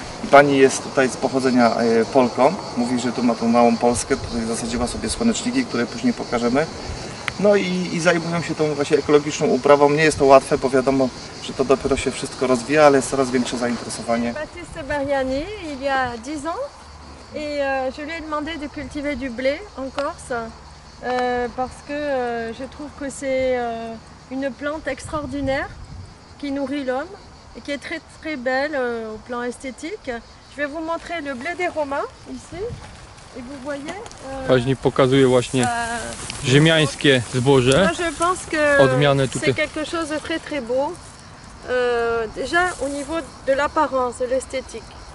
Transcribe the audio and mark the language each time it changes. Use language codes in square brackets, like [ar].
[pl] Pani jest tutaj z pochodzenia Polką, mówi, że tu ma tą małą Polskę, tutaj zasadziła sobie słoneczniki, które później pokażemy. No i zajmują się tą właśnie ekologiczną uprawą. Nie jest to łatwe, bo wiadomo, że to dopiero się wszystko rozwija, ale jest coraz większe zainteresowanie. [fr] Baptiste Bariani, il y a 10 ans et je lui ai demandé de cultiver du blé en Corse. Parce que je trouve que c'est une plante extraordinaire qui nourrit l'homme et qui est très très belle au plan esthétique. Je vais vous montrer le blé des Romains ici. Et vous voyez. [pl] Pani pokazuje właśnie ziemiańskie zboże. [fr] Moi, je pense que [pl] odmiany tutaj. [fr] C'est quelque chose de très très beau. Déjà au niveau de l'apparence, de l'esthétique.